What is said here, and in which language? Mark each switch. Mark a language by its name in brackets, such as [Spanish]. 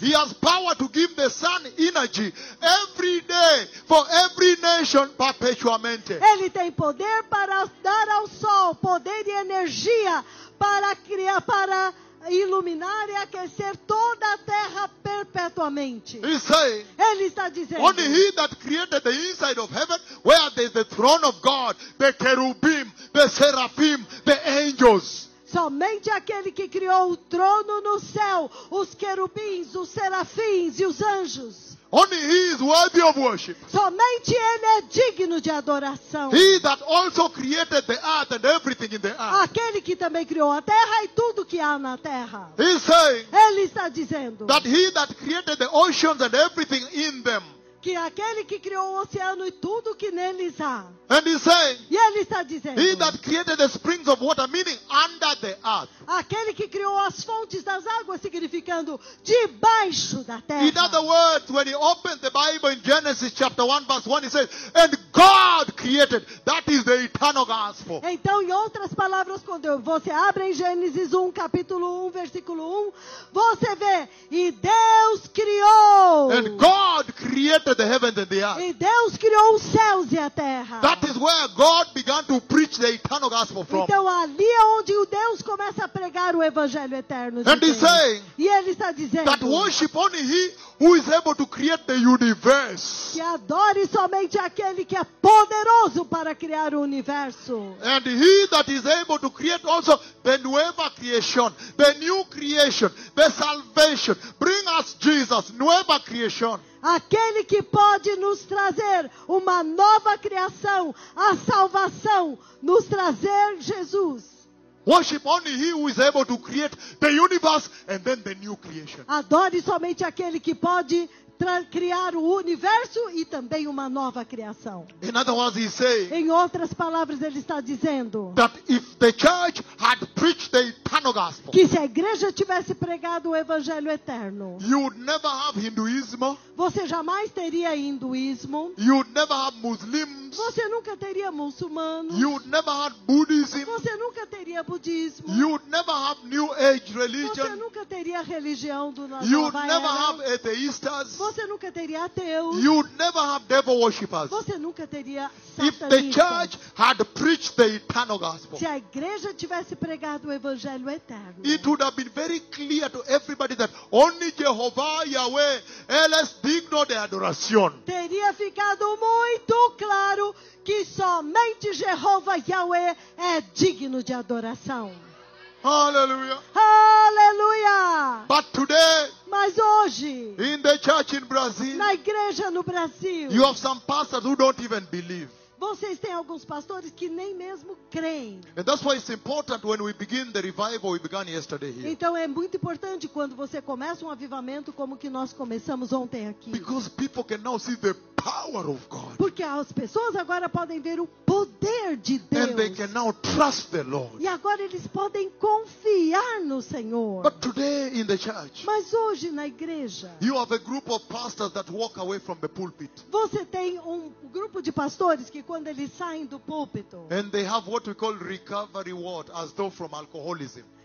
[English] He has power to give the sun energy every day for every nation [Portuguese] perpetuamente. Ele tem poder para dar ao sol poder e energia para criar, para iluminar e aquecer toda a terra perpetuamente. Ele está dizendo: [English] only he that created the inside of heaven, where there is the throne of God, the cherubim, the seraphim, the angels. [Portuguese] Somente aquele que criou o trono no céu, os querubins, os serafins e os anjos. [English] Only he is worthy of worship. [Portuguese] Somente ele é digno de adoração. [English] He that also created the earth and everything in the earth. [Portuguese] Aquele que também criou a terra e tudo que há na terra. [English] He's saying, [Portuguese] ele está dizendo, [English] that he that created the oceans and everything in them, [Portuguese] que aquele que criou o oceano e tudo que neles há. [English] And he's saying, [Portuguese] e ele está dizendo, [English] he that created the springs of water, meaning under the earth, [Portuguese] aquele que criou as fontes das águas, significando debaixo da terra. [English] In other words, when he opened the Bible in Genesis chapter 1 verse 1, he says, and God created. That is the eternal gospel. [Portuguese] Então, em outras palavras, quando você abre em Gênesis 1, capítulo 1, versículo 1, você vê, e Deus criou. [English] And God created the heavens and the earth. [Portuguese] E Deus criou os céus e a terra. [English] That is where God began to preach the eternal gospel from. [Portuguese] Então, ali é onde o Deus começa a pregar o evangelho eterno. [English] And he's saying, [Portuguese] e ele está dizendo, [English] that worship only he who is able to create the universe. [Portuguese] Que adore somente aquele que é poderoso para criar o universo. [English] And he that is able to create also the [Spanish] nueva [English] creation, the new creation, the salvation. Bring us Jesus, [Spanish] nueva [English] creation. [Portuguese] Aquele que pode nos trazer uma nova criação, a salvação, nos trazer Jesus. [English] Worship only he who is able to create the universe and then the new creation. [Portuguese] Adore somente aquele que pode criar o universo e também uma nova criação. [English] In other words, he say, [Portuguese] em outras palavras, ele está dizendo [English] that if the church had preached the eternal gospel, [Portuguese] que se a igreja tivesse pregado o evangelho eterno, [English] you would never have Hinduism. [Portuguese] Você jamais teria hinduísmo. [English] You would never have Muslims. [Portuguese] Você nunca teria muçulmanos. [English] You would never have Buddhism. [Portuguese] Você nunca teria budismo. [English] You would never have New Age religion. [Portuguese] Você nunca teria religião do nosso país. [English] You would never have atheists. [Portuguese] Você nunca teria ateus. [English] You would never have devil worshippers. [Portuguese] Você nunca teria satanistas. [English] If the church had preached the eternal gospel, [Portuguese] se a igreja tivesse pregado o evangelho eterno, [English] it would have been very clear to everybody that only Jehovah Yahweh, [Portuguese] Ele é digno de adoração. Teria ficado muito claro que somente Jeová Yahweh é digno de adoração. Aleluia. Aleluia. [English] But today, [Portuguese] mas hoje, [English] in the church in Brazil, [Portuguese] na igreja no Brasil, [English] you have some pastors who don't even believe. [Portuguese] Vocês têm alguns pastores que nem mesmo creem. [English] And that's why it's important when we begin the revival we began yesterday here. [Portuguese] Então é muito importante quando você começa um avivamento como que nós começamos ontem aqui. [English] Because people can now see the power of God. [Portuguese] Porque as pessoas agora podem ver o poder de Deus. [English] And they can now trust the Lord. [Portuguese] E agora eles podem confiar no Senhor. [English] But today in the church, [Portuguese] mas hoje na igreja, [English] you have a group of pastors that walk away from the pulpit. [Portuguese] Você tem um grupo de pastores que quando eles saem do púlpito, [English] and they have what we call recovery ward, as though from alcoholism.